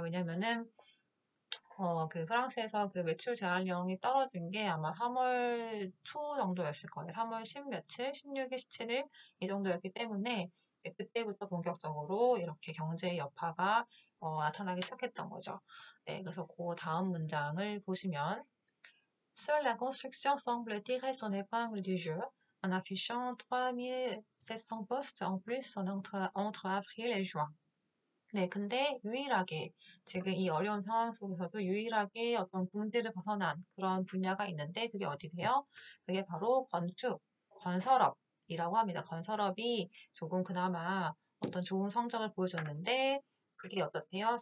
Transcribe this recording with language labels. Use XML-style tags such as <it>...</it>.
<ko>왜냐면은 그 프랑스에서 그 매출 제한령이 떨어진 게 아마 3월 초 정도였을 거예요. 3월 10 며칠, 16일, 17일 이 정도였기 때문에 그때부터 본격적으로 이렇게 경제의 여파가 나타나기 시작했던 거죠. 네, 그래서 그 다음 문장을 보시면</ko> <fr>Seule la construction semble tirer son épingle du jeu en affichant 3 700 postes en plus entre avril et juin.</fr> <ko>네, 근데 유일하게 지금 이 어려운 상황 속에서도 유일하게 어떤 궁지를 벗어난 그런 분야가 있는데 그게 어디세요? 그게 바로 건축, 건설업이라고 합니다. 건설업이 조금 그나마 어떤 좋은 성적을 보여줬는데 그게 어떻대요?</ko>